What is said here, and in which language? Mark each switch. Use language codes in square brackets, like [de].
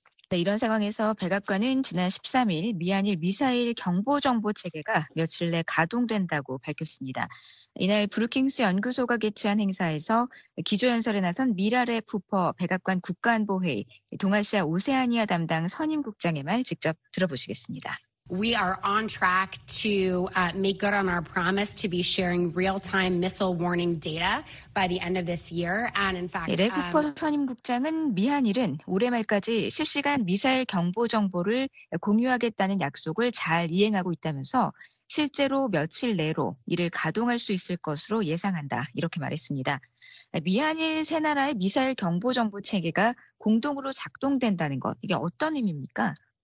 [ko] 네, 이런 상황에서 백악관은 지난 13일 미한일 미사일 경보 정보 체계가 며칠 내 가동된다고 밝혔습니다. 이날 브루킹스 연구소가 개최한 행사에서 기조연설에 나선 미랄의 부퍼 백악관 국가안보회의 동아시아 오세아니아 담당 선임 국장의 말 직접 들어보시겠습니다. [en] We are on track to make good on our promise to be sharing real-time missile warning data by the end of this year. And in fact, [ko] 미랄 부퍼 선임 국장은 미한일은 올해 말까지 실시간 미사일 경보 정보를 공유하겠다는 약속을 잘 이행하고 있다면서 실제로 며칠 내로 이를 가동할 수 있을 것으로 예상한다. 이렇게 말했습니다. 미한일 세 나라의 미사일 경보 정보 체계가 공동으로 작동된다는 것, 이게 어떤 의미입니까?